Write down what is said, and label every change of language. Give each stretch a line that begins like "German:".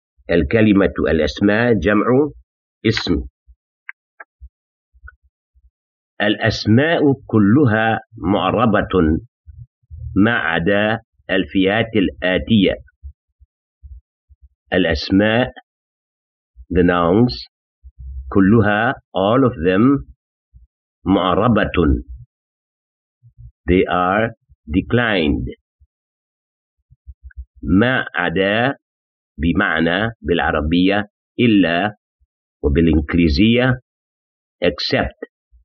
Arabic: الكلمة الأسماء جمع اسم. الأسماء كلها معربة ما عدا الفئات الآتية. الأسماء
English: the nouns
Arabic: كلها
English: all of them
Arabic: معربة.
English: They are declined.
Arabic: ما عدا بمعنى بالعربية إلا وبالإنجليزية except.